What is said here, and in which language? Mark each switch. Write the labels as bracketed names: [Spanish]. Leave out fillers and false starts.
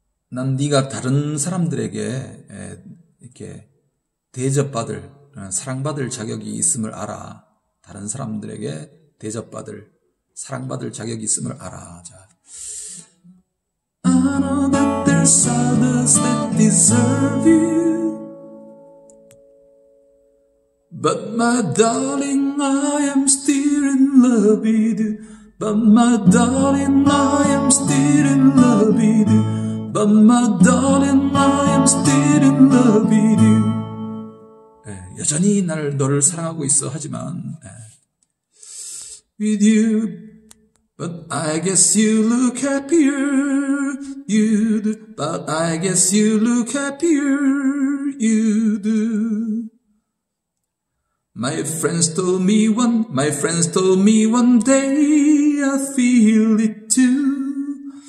[Korean] 난 네가 다른 사람들에게 이렇게 대접받을 사랑받을 자격이 있음을 알아. 다른 사람들에게 대접받을 사랑받을 자격이 있음을 알아. 자. [English] I know that there's others that deserve you. But my darling, I am still in love with you. But my darling, I am still in love with you. But my darling, I am still in love with you. [Korean] 네, 여전히 나를 너를 사랑하고 있어 하지만 네. [English] With you. But I guess you look happier, you do. But I guess you look happier, you do. My friends told me one day I feel it too.